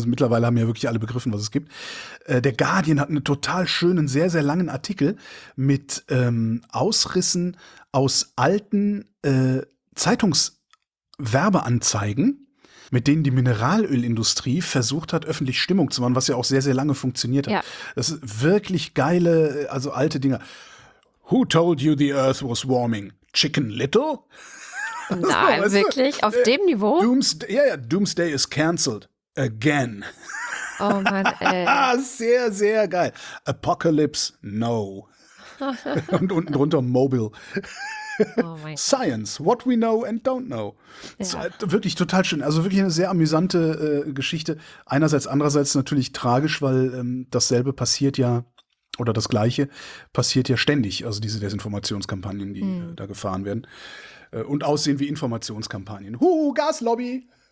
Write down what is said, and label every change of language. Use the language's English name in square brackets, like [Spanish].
[German] Also mittlerweile haben ja wirklich alle begriffen, was es gibt. Der Guardian hat einen total schönen, sehr, sehr langen Artikel mit Ausrissen aus alten Zeitungswerbeanzeigen, mit denen die Mineralölindustrie versucht hat, öffentlich Stimmung zu machen, was ja auch sehr, sehr lange funktioniert hat. Ja. Das ist wirklich geile, also alte Dinger. [English] Who told you the earth was warming? Chicken Little? [German] Nein, also, wirklich? Auf dem Niveau? [English] Doomsday is cancelled. Again. [German] Oh Mann, ey. Sehr, sehr geil. [English] Apocalypse, no. [German] Und unten drunter Mobile. [English] Science, what we know and don't know. [German] Ja. Wirklich total schön. Also wirklich eine sehr amüsante Geschichte. Einerseits, andererseits natürlich tragisch, weil dasselbe passiert ja, oder das Gleiche passiert ja ständig. Also diese Desinformationskampagnen, die da gefahren werden. Und aussehen wie Informationskampagnen. Huhu, Gaslobby!